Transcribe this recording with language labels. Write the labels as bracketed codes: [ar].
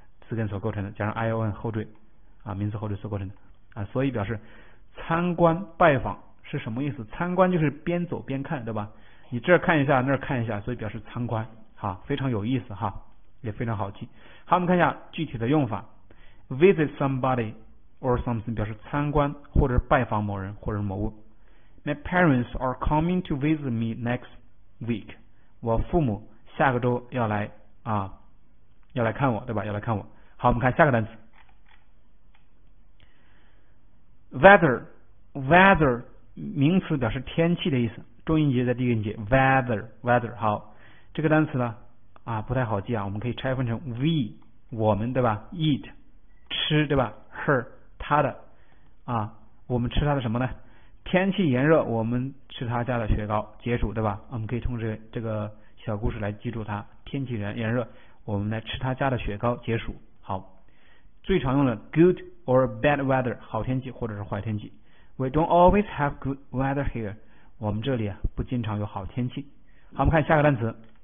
[zh] 词根所构成的，加上 ion 后缀，啊，名词后缀所构成的，啊，所以表示参观拜访是什么意思？参观就是边走边看，对吧？你这儿看一下，那儿看一下，所以表示参观，哈，非常有意思，哈，也非常好记。好，我们看一下具体的用法， [en] visit somebody or something [zh] 表示参观或者拜访某人或者某物。 [en] My parents are coming to visit me next week。 [zh] 我父母下个周要来啊，要来看我，对吧？要来看我。好，我们看下个单词，weather，weather 名词表示天气的意思，重音节在第一个音节，weather。好，这个单词呢，不太好记啊，我们可以拆分成 we 我们，对吧？eat 吃，对吧？her 它的，我们吃它的什么呢？天气炎热，我们吃他家的雪糕解暑，对吧？我们可以通过这个小故事来记住它。天气炎热，我们来吃他家的雪糕解暑。好，最常用的 [en] good or bad weather [zh] 好天气或者是坏天气。 [en] We don't always have good weather here。 [zh] 我们这里啊不经常有好天气。好，我们看下个单词。